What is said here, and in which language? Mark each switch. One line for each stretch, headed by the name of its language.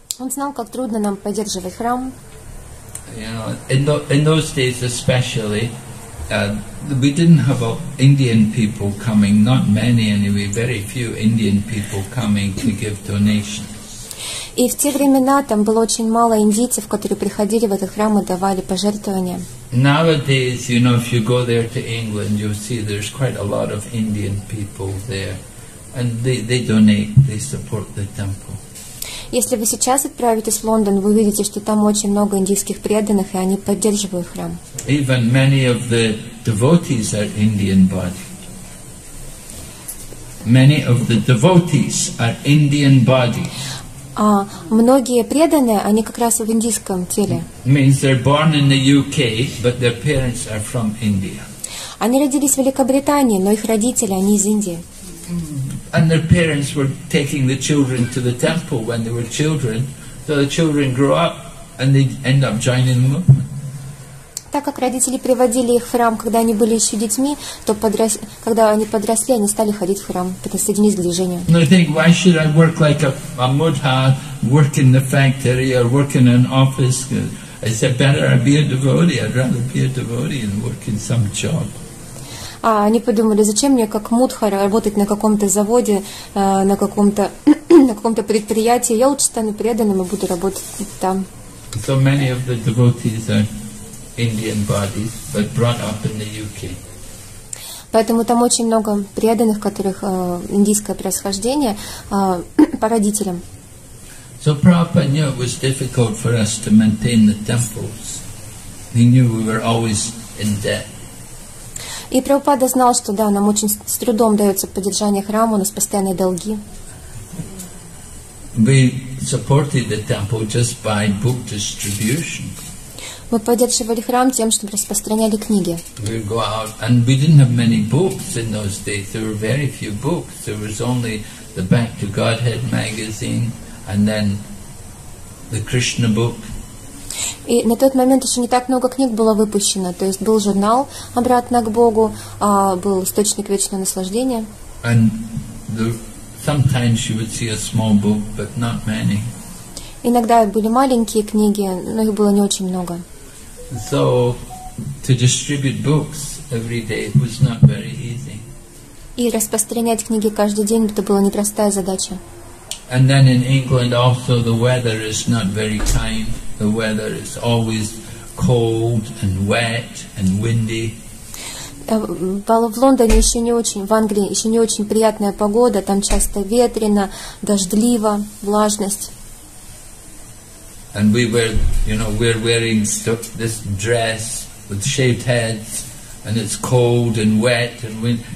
Russian: Он знал, как трудно нам поддерживать храм.
English: You know, in those days especially, we didn't have Indian people coming, not many anyway, very few Indian people coming to give donations.
Russian: И в те времена там было очень мало индийцев, которые приходили в этот храм и давали пожертвования.
English: Nowadays, you know, if you go there to England, you'll see there's quite a lot of Indian people there, and they donate, they support the temple.
Russian: Если вы сейчас отправитесь в Лондон, вы увидите, что там очень много индийских преданных, и они поддерживают храм.
English: Even many of the devotees are Indian body. Many of the devotees are Indian body.
Russian: А многие преданные, они как раз в индийском теле.
English: Means they're born in the UK, but their parents are from India.
Russian: Они родились в Великобритании, но их родители, они из Индии.
English: And their parents were taking the children to the temple when they were children, so the children grow up and they end up joining the movement.
Russian: Так как родители приводили их в храм, когда они были еще детьми, то когда они подросли, они стали ходить в храм, присоединились к движению.
English: And they think, why should I work like a mudha, work in the factory or work in an office? I said, better I be a devotee. I'd rather be a devotee and work in some job.
Russian: А они подумали, зачем мне как мудха работать на каком-то заводе, на каком-то на каком-то предприятии? Я лучше стану преданным и буду работать там.
English: So many of the devotees are Indian bodies, but brought up in the UK.
Russian: Поэтому там очень много преданных, которых индийское происхождение по родителям.
English: So Prabhupada knew it was difficult for us to maintain the temples. He knew we were always in debt.
Russian: И Прабхупада знал, что да, нам очень с трудом дается поддержание храма, у нас постоянные долги.
English: We supported the temple just by book distribution.
Russian: Мы поддерживали храм тем, что распространяли книги.
English: We go out, and we didn't have many books in those days. There were very few books. There was only the Back to Godhead magazine, and then the Krishna book.
Russian: И на тот момент еще не так много книг было выпущено. То есть был журнал «Обратно к Богу», был «Источник вечного наслаждения».
English: And sometimes you would see a small book, but not many.
Russian: Иногда были маленькие книги, но их было не очень много.
English: So, to distribute books every day was not very easy.
Russian: И распространять книги каждый день – это была непростая задача.
English: And then in England also the weather is not very kind. The weather is always cold and wet and windy.
Russian: В Лондоне еще не очень, в Англии еще не очень приятная погода, там часто ветрено, дождливо, влажность.
English: And we were, you know, we're wearing this dress with shaved heads, and it's cold and wet and windy.